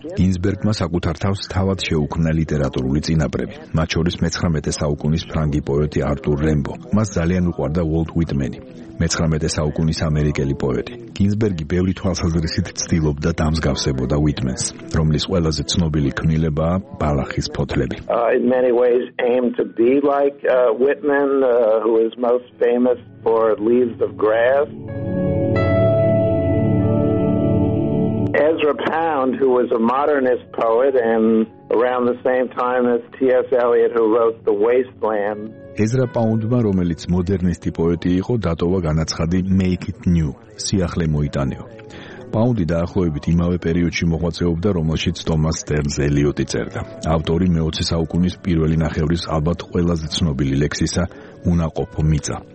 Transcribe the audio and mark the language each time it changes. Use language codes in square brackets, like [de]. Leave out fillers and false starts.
[ka] გინსბერგმა საკუთარ თავს თავად შეუქმნა ლიტერატურული წინაპრები, მათ შორის 19 საუკუნის ფრანგი პოეტი არტურ რემბო, მას ძალიან უყვარდა უოლტ უიტმენი, 19 საუკუნის ამერიკელი პოეტი. გინსბერგი ბევრი თვალსაზრისით ცდილობდა დამსგავსებოდა უიტმენს, რომლის ყველაზე ცნობილი ქმნილებაა ბალახის ფოთლები. [en] In many ways aimed to be like Whitman, who is most famous for Leaves of Grass. Ezra Pound, who was a modernist poet and around the same time as T.S. Eliot, who wrote The Wasteland. [ka] Ezra Pound-მა, რომელიც მოდერნისტი პოეტი იყო, დატოვა განაცხადი [en] Make it new, [ka] სიახლე მოიტანეო. პაუნდი დაახლოებით იმავე პერიოდში მოღვაწეობდა, რომელშიც ტომას სტერნს ელიოტი წერდა. ავტორი 20 საუკუნის პირველი ნახევრის ალბათ ყველაზე ცნობილი ლექსისა, უნაყოფო მიწა.